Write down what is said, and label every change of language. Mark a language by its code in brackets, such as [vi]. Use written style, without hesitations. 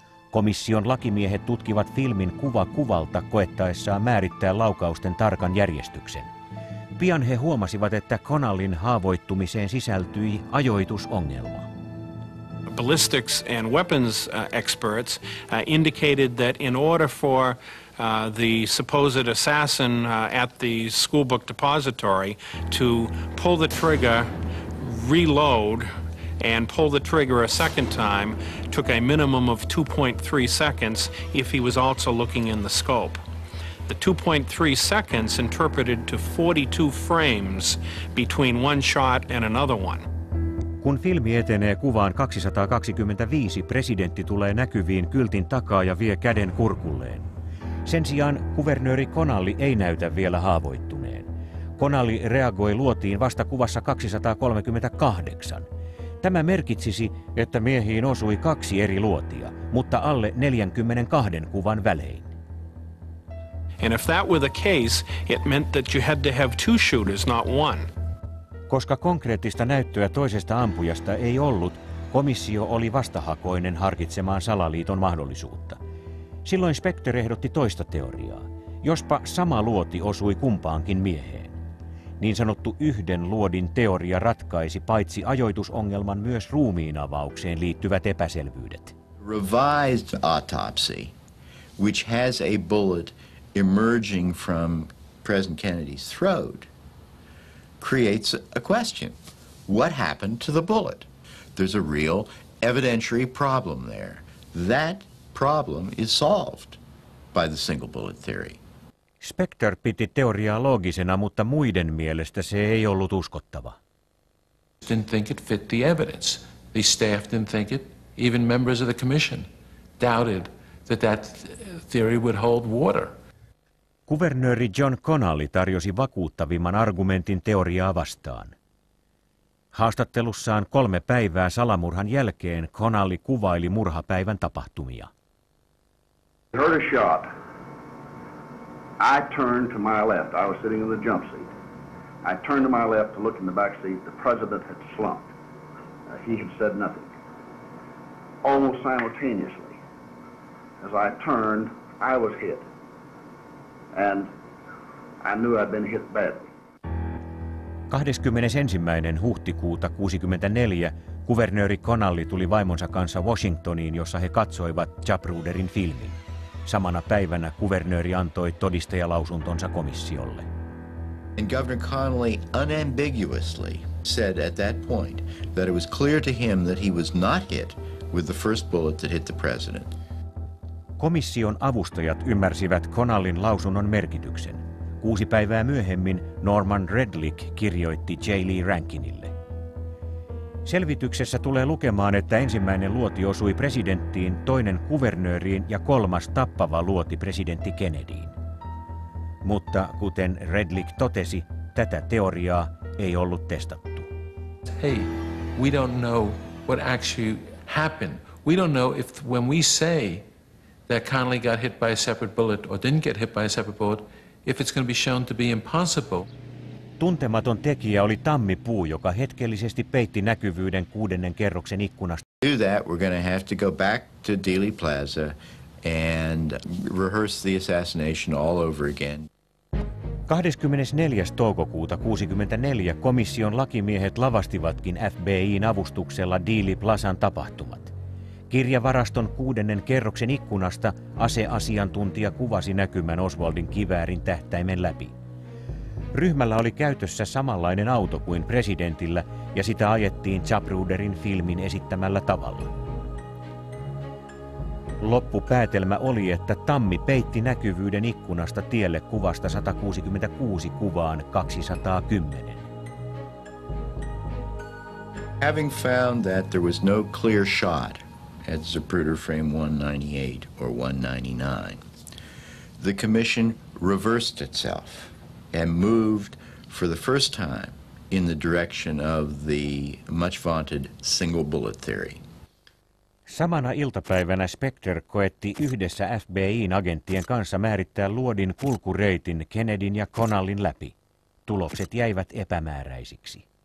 [fi] Komission lakimiehet tutkivat filmin kuva kuvalta koettaessaan määrittää laukausten tarkan järjestyksen. Pian he huomasivat, että Connallyn haavoittumiseen sisältyi ajoitusongelma. [en] Ballistics and weapons experts indicated that in order for the supposed assassin at the school book depository to pull the trigger, reload, and pull the trigger a second time took a minimum of 2.3 seconds if he was also looking in the scope. The 2.3 seconds interpreted to 42 frames between one shot and another one. [fi] Kun filmi etenee kuvaan 225, presidentti tulee näkyviin kyltin takaa ja vie käden kurkulleen. Sen sijaan kuvernööri Connally ei näytä vielä haavoittuneen. Connally reagoi luotiin vasta kuvassa 238. Tämä merkitsisi, että miehiin osui kaksi eri luotia, mutta alle 42 kuvan välein. [en] And if that were the case, it meant that you had to have two shooters, not one. [fi] Koska konkreettista näyttöä toisesta ampujasta ei ollut, komissio oli vastahakoinen harkitsemaan salaliiton mahdollisuutta. Silloin Specter ehdotti toista teoriaa. Jospa sama luoti osui kumpaankin mieheen. Niin sanottu yhden luodin teoria ratkaisi paitsi ajoitusongelman myös ruumiinavaukseen liittyvät epäselvyydet. [en] Revised autopsy, which has a bullet emerging from President Kennedy's throat, creates a question. What happened to the bullet? There's a real evidentiary problem there. That problem is solved by the single bullet theory. [fi] Specter piti teoriaa loogisena, mutta muiden mielestä se ei ollut uskottava. [en] Didn't think it fit the evidence. The staff didn't think it. Even members of the commission doubted that theory would hold water. [fi] Kuvernööri John Connally tarjosi vakuuttavimman argumentin teoriaa vastaan. Haastattelussaan 3 päivää salamurhan jälkeen Connally kuvaili murhapäivän tapahtumia. [en] I heard a shot. I turned to my left. I was sitting in the jump seat. I turned to my left to look in the back seat. The president had slumped. He had said nothing. Almost simultaneously, as I turned, I was hit. And I knew I'd been hit badly. [fi] 21. huhtikuuta 1964 kuvernööri Connally tuli vaimonsa kanssa Washingtoniin, jossa he katsoivat Zapruderin filmin. Samana päivänä kuvernööri antoi todistajalausuntonsa komissiolle. [en] And Governor Connally unambiguously said at that point that it was clear to him that he was not hit with the first bullet that hit the president. [fi] Komission avustajat ymmärsivät Connallyn lausunnon merkityksen. 6 päivää myöhemmin Norman Redlich kirjoitti J. Lee Rankinille. Selvityksessä tulee lukemaan, että ensimmäinen luoti osui presidenttiin, toinen kuvernööriin ja 3. tappava luoti presidentti Kennedyin. Mutta kuten Redlich totesi, tätä teoriaa ei ollut testattu. [en] Hey, we don't know what actually happened. We don't know if when we say that Connally got hit by a separate bullet or didn't get hit by a separate bullet, if it's going to be shown to be impossible. [fi] Tuntematon tekijä oli tammipuu, joka hetkellisesti peitti näkyvyyden 6. kerroksen ikkunasta. [en] To do that, we're going to have to go back to Dealey Plaza and rehearse the assassination all over again. [fi] 24. toukokuuta 1964 komission lakimiehet lavastivatkin FBI:n avustuksella Dealey Plazan tapahtumat. Kirjavaraston 6. kerroksen ikkunasta aseasiantuntija kuvasi näkymän Oswaldin kiväärin tähtäimen läpi. Ryhmällä oli käytössä samanlainen auto kuin presidentillä ja sitä ajettiin Zapruderin filmin esittämällä tavalla. Loppupäätelmä oli, että tammi peitti näkyvyyden ikkunasta tielle kuvasta 166 kuvaan 210. [en] Having found that there was no clear shot at Zapruder frame 198 or 199, the commission reversed itself and moved for the first time in the direction of the much vaunted single bullet theory. [fi] Samana iltapäivänä Specter koetti yhdessä FBI:n agenttien kanssa määrittää luodin kulkureitin Kennedyn ja Connallyn läpi. Tulokset jäivät epämääräisiksi.